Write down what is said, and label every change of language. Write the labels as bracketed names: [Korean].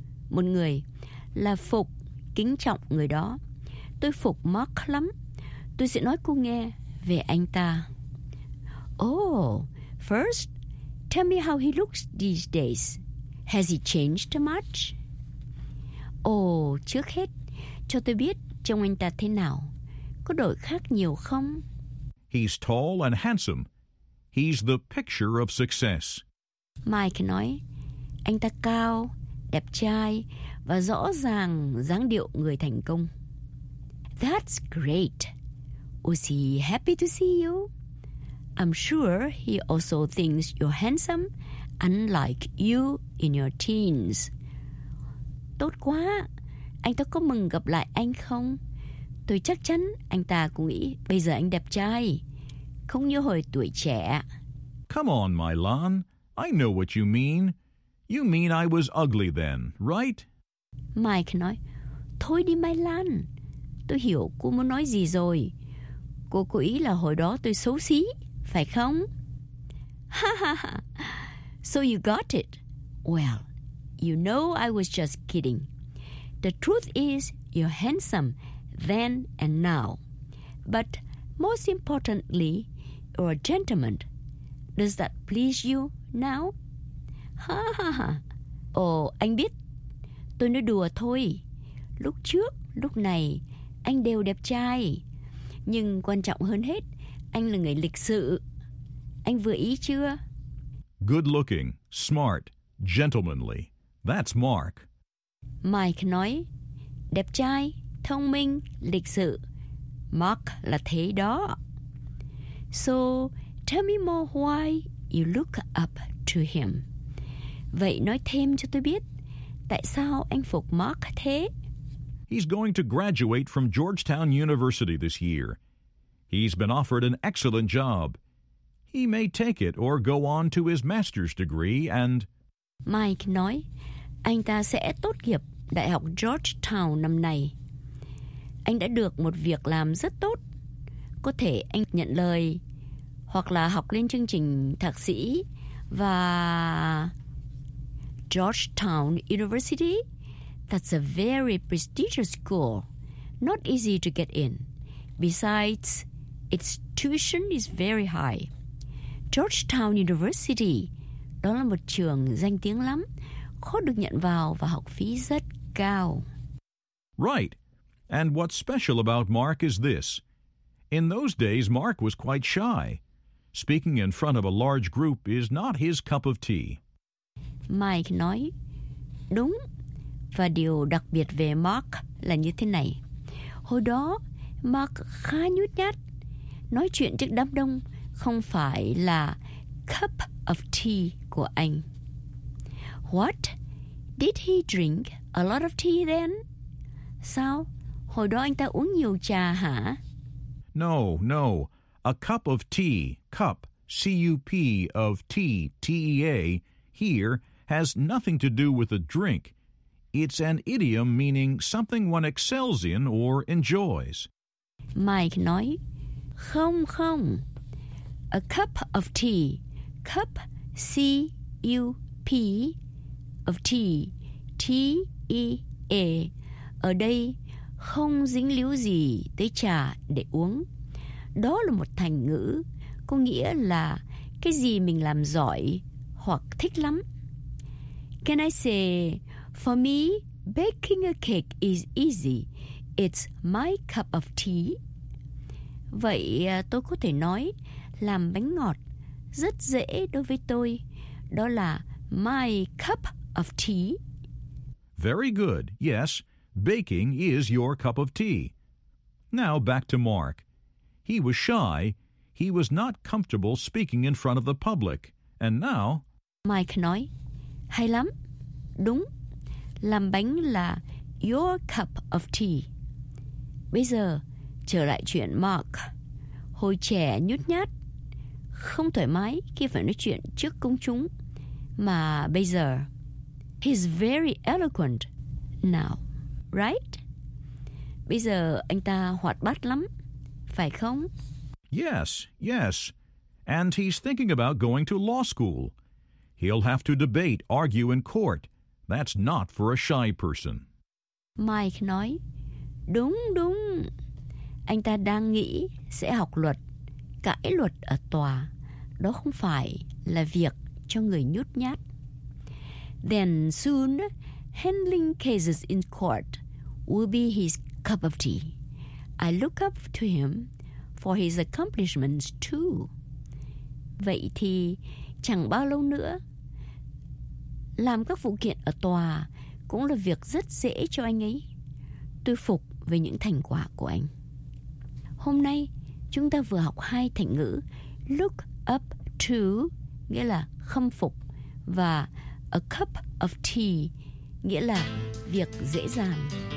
[Vietnamese] Một người là phục, kính trọng người đó. Tôi phục Mark lắm. Tôi sẽ nói cô nghe về anh ta. [English] Oh, first, tell me how he looks these days. Has he changed much? [Vietnamese] Oh, trước hết, cho tôi biết trông anh ta thế nào. Có đổi khác nhiều không? [English] He's tall and handsome. He's the picture of success. [Vietnamese] Mike nói, anh ta cao, đẹp trai và rõ ràng dáng điệu người thành công. [English] That's great. Was he happy to see you? I'm sure he also thinks you're handsome, unlike you in your teens. [Vietnamese] Tốt quá! Anh ta có mừng gặp lại anh không? Tôi chắc chắn anh ta cũng nghĩ bây giờ anh đẹp trai, không như hồi tuổi trẻ. [English] Come on, Milan. I know what you mean. You mean I was ugly then, right? [Vietnamese] Mike nói, thôi đi Milan. Tôi hiểu cô muốn nói gì rồi. Cô có ý là hồi đó tôi xấu xí, phải không? [English] Ha ha ha. So you got it. Well, you know I was just kidding. The truth is, you're handsome then and now. But most importantly, you're a gentleman. Does that please you now? [Vietnamese] Ha ha ha. Oh, anh biết. Tôi nói đùa thôi. Lúc trước, lúc này, anh đều đẹp trai. Nhưng quan trọng hơn hết, anh là người lịch sự. Anh vừa ý chưa? [English] Good looking, smart, gentlemanly. That's Mark. [Vietnamese] Mike nói, đẹp trai, thông minh, lịch sự. Mark là thế đó. [English] So, tell me more why you look up to him. [Vietnamese] Vậy nói thêm cho tôi biết, tại sao anh phục Mark thế? [English] He's going to graduate from Georgetown University this year. He's been offered an excellent job. He may take it or go on to his master's degree and... [Vietnamese] Mike nói, anh ta sẽ tốt nghiệp Đại học Georgetown năm nay. Anh đã được một việc làm rất tốt. Có thể anh nhận lời hoặc là học lên chương trình thạc sĩ và... [English] Georgetown University? That's a very prestigious school. Not easy to get in. Besides, its tuition is very high. [Vietnamese] Georgetown University, đó là một trường danh tiếng lắm, khó được nhận vào và học phí rất cao. [English] Right. And what's special about Mark is this. In those days, Mark was quite shy. Speaking in front of a large group is not his cup of tea. [Vietnamese] Mike nói, đúng. Và điều đặc biệt về Mark là như thế này. Hồi đó, Mark khá nhút nhát. Nói chuyện trước đám đông không phải là [English] cup of tea [Vietnamese] của anh. [English] What? Did he drink a lot of tea then? [Vietnamese] Sao? Hồi đó anh ta uống nhiều trà hả? [English] No, no. A cup of tea, cup, C-U-P of tea, T-E-A, here, has nothing to do with a drink. It's an idiom meaning something one excels in or enjoys. [Vietnamese] Mike nói, không, không. [English] A cup of tea, cup, C-U-P, of tea, T-E-A. [Vietnamese] Ở đây, không dính líu gì tới trà để uống. Đó là một thành ngữ, có nghĩa là cái gì mình làm giỏi hoặc thích lắm. [English] Can I say, for me, baking a cake is easy. It's my cup of tea. [Vietnamese] Vậy tôi có thể nói, làm bánh ngọt rất dễ đối với tôi. Đó là [English] my cup of tea. Very good. Yes, baking is your cup of tea. Now back to Mark. He was shy. He was not comfortable speaking in front of the public. And now... [Vietnamese] Mike nói, hay lắm. Đúng. Làm bánh là [English] your cup of tea. [Vietnamese] Bây giờ, trở lại chuyện Mark. Hồi trẻ nhút nhát, không thoải mái khi phải nói chuyện trước công chúng. Mà bây giờ, [English] he's very eloquent now, right? [Vietnamese] Bây giờ, anh ta hoạt bát lắm, phải không? [English] Yes, yes. And he's thinking about going to law school. He'll have to debate, argue in court. That's not for a shy person. [Vietnamese] Mike nói, đúng, đúng. Anh ta đang nghĩ sẽ học luật, cãi luật ở tòa. Đó không phải là việc cho người nhút nhát. [English] Then soon, handling cases in court will be his cup of tea. I look up to him for his accomplishments too. [Vietnamese] Vậy thì chẳng bao lâu nữa, làm các vụ kiện ở tòa cũng là việc rất dễ cho anh ấy. Tôi phục về những thành quả của anh. Hôm nay, chúng ta vừa học hai thành ngữ [English] look up to, [Vietnamese] nghĩa là khâm phục, và [English] a cup of tea, [Vietnamese] nghĩa là việc dễ dàng.